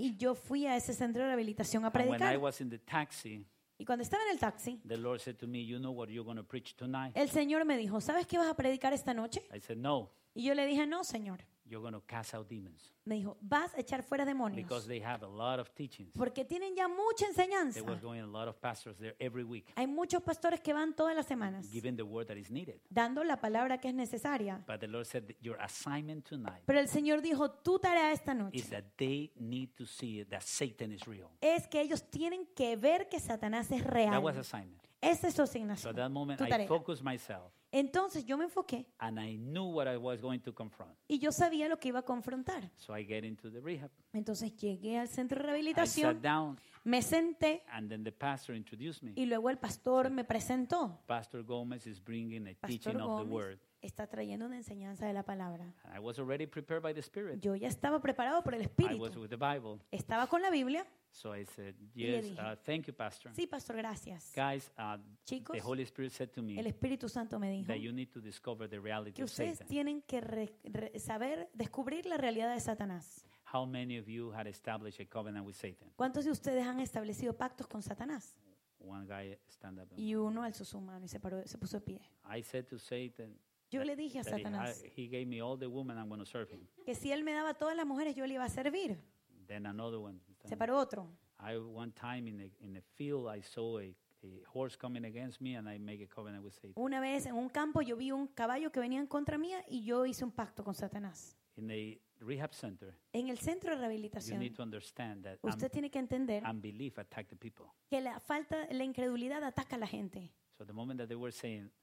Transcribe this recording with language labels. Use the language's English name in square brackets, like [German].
[Spanish] Y yo fui a ese centro de rehabilitación a predicar. [English] And when I was in the taxi, [Spanish] y cuando estaba en el taxi, [English] the Lord said to me, "You know what you're going to preach tonight?" [Spanish] El Señor me dijo, "¿Sabes qué vas a predicar esta noche?" [English] I said, "No." [Spanish] Y yo le dije, "No, Señor." [English] You're going to cast out demons. [Spanish] Me dijo, "Vas a echar fuera demonios." [English] Because they have a lot of teachings. [Spanish] Porque tienen ya mucha enseñanza. [English] There was going a lot of pastors there every week. [Spanish] Hay muchos pastores que van todas las semanas. [English] Giving the word that is needed. [Spanish] Dando la palabra que es necesaria. [English] But the Lord said your assignment tonight. [Spanish] Pero el Señor dijo, tu tarea esta noche. [English] Is that they need to see that Satan is real. [Spanish] Es que ellos tienen que ver que Satanás es real. [English] That was assignment. [Spanish] Esa es su asignación. [English] So at that moment I focused myself. [Spanish] Entonces yo me enfoqué. [English] And I knew what I was going to confront. [Spanish] Y yo sabía lo que iba a confrontar. [English] So I get into the rehab. [Spanish] Entonces llegué al centro de rehabilitación. [English] I sat down, [Spanish] me senté. [English] And then the pastor introduced me. [Spanish] Y luego el pastor me presentó. [English] Pastor Gomez is bringing a [Spanish] pastor [English] teaching [Spanish] Gomez [English] of the word. [Spanish] Está trayendo una enseñanza de la palabra. [English] And I was already prepared by the Spirit. [Spanish] Yo ya estaba preparado por el Espíritu. [English] I was with the Bible. [Spanish] Estaba con la Biblia. [English] So I said, yes, thank you, Pastor. [Spanish] Sí, Pastor, gracias. [English] Guys, [Spanish] chicos, [English] the Holy Spirit said to me, [Spanish] el Espíritu Santo me dijo [English] that you need to discover the reality [Spanish] que ustedes [English] of Satan. [Spanish] Tienen que saber descubrir la realidad de Satanás. [English] How many of you had established a covenant with Satan? [Spanish] ¿Cuántos de ustedes han establecido pactos con Satanás? [English] One guy stand up. [Spanish] Y uno alzó su mano y se puso de pie. [English] I said to Satan, [Spanish] yo le dije a Satanás, [English] he gave me all the women, I'm going to serve him. [Spanish] Que si él me daba todas las mujeres, yo le iba a servir. [English] Then another one. [Spanish] Se paró otro. [English] I one time in a field I saw a horse coming against me and I made a covenant with Satan. [Spanish] Una vez en un campo yo vi un caballo que venía en contra mía y yo hice un pacto con Satanás. [English] In a rehab center. [Spanish] En el centro de rehabilitación. [English] You need to understand that [Spanish] usted tiene que entender [English] unbelief attack the people. [Spanish] Que la incredulidad ataca a la gente. [English] So the moment that they were saying,